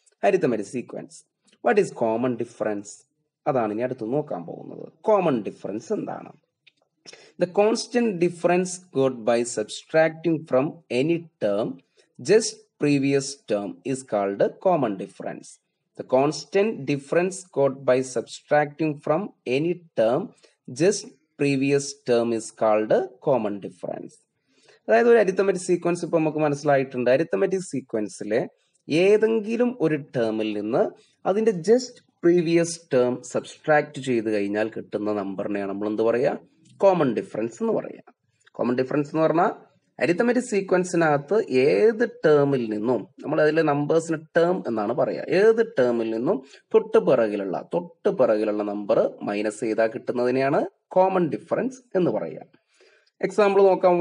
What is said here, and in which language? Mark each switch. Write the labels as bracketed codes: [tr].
[en] Arithmetic sequence. What is common difference? [ml] അതാണ് ഇനി അടുത്ത് നോക്കാൻ പോകുന്നത്. കോമൺ ഡിഫറൻസ് എന്താണ്? [en] The constant difference got by subtracting from any term just previous term is called common difference. The constant difference got by subtracting from any term just previous term is called common difference. [ml] അതായത് ഒരു arithmetic sequence ഇപ്പൊ നമുക്ക് മനസ്സിലായിട്ടുണ്ട്. Arithmetic സീക്വൻസിലെ ഏതെങ്കിലും ഒരു ടേമിൽ നിന്ന് അതിന്റെ ജസ്റ്റ് പ്രീവിയസ് ടേം സബ്സ്ട്രാക്ട് ചെയ്ത് കഴിഞ്ഞാൽ കിട്ടുന്ന നമ്പറിനെയാണ് നമ്മൾ എന്ത് പറയാ? കോമൺ ഡിഫറൻസ് എന്ന് പറയാ. കോമൺ ഡിഫറൻസ് എന്ന് പറഞ്ഞാൽ അരിത്തമെറ്റിക് സീക്വൻസിനകത്ത് ഏത് ടേമിൽ നിന്നും, നമ്മൾ അതിലെ നമ്പേഴ്സിന് ടേം എന്നാണ് പറയുക, ഏത് ടേമിൽ നിന്നും തൊട്ട് പിറകിലുള്ള നമ്പർ മൈനസ് ചെയ്താൽ കിട്ടുന്നതിനെയാണ് കോമൺ ഡിഫറൻസ് എന്ന് പറയുക. എക്സാമ്പിൾ നോക്കാം.